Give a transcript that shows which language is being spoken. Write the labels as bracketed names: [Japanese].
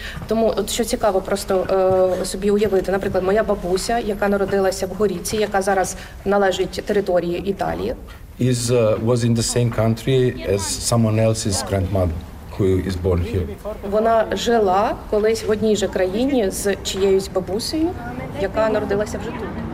[Ukrainian] Тому от що цікаво просто собі уявити, наприклад, моя бабуся, яка народилася в Горіці, яка зараз належить території Італії. [English] Was in the same country as someone else's grandmother who is born here. [Ukrainian] Вона жила колись в одній же країні з чиєюсь бабусею, яка народилася вже тут.